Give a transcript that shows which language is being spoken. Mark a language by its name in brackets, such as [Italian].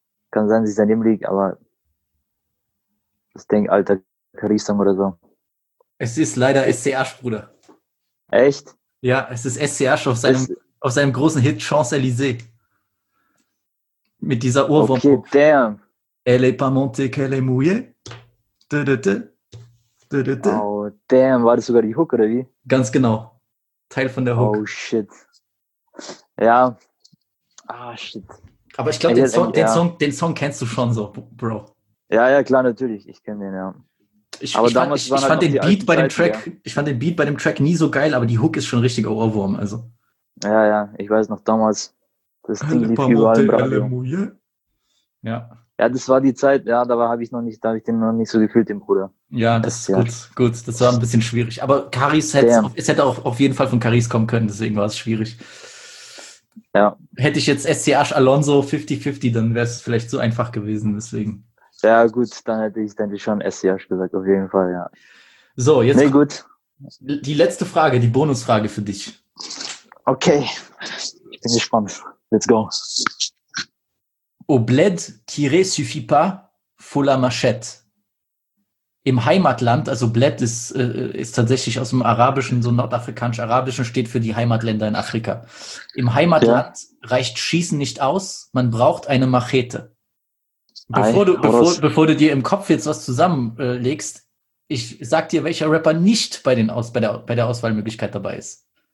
[German] Kann sein, dass ich daneben liege, aber das Ding, alter Caris-Song oder so. Es ist leider SCH, Bruder. Echt? Ja, es ist SCH auf seinem großen Hit Champs-Élysées. Mit dieser Ohrwurm. Okay, damn. [French] Elle est pas montée, qu'elle est mouillée. [German] Du. Oh, damn. War das sogar die Hook, oder wie? Ganz genau. Teil von der Hook. Oh, shit. Ja. Ah, shit. Aber ich glaube, den Song kennst du schon so, Bro. Ja, klar, natürlich. Ich kenne den, ja. Ich fand den Beat bei dem Track nie so geil, aber die Hook ist schon richtiger Ohrwurm. Also. Ja, ich weiß noch damals, das Ding lief überall im Radio. Ja, das war die Zeit, ja, da habe ich den noch nicht so gefühlt, den Bruder. Ja, das ist gut, das war ein bisschen schwierig. Aber Caris hätte auch auf jeden Fall von Caris kommen können, deswegen war es schwierig. Ja. Hätte ich jetzt SCH Alonso 50-50, dann wäre es vielleicht zu einfach gewesen, deswegen. Ja, gut, dann hätte ich denke schon SCH gesagt, auf jeden Fall, ja. So, jetzt gut. Die letzte Frage, die Bonusfrage für dich. Okay, ich bin gespannt. [English] Let's go. [French] au bled kire suffit pas, faut la machette. [German] Im Heimatland, also bled ist, ist tatsächlich aus dem Arabischen, so nordafrikanisch-arabischen, steht für die Heimatländer in Afrika. Im Heimatland reicht Schießen nicht aus, man braucht eine Machete. Bevor du dir im Kopf jetzt was zusammenlegst, ich sag dir, welcher Rapper nicht bei der Auswahlmöglichkeit dabei ist.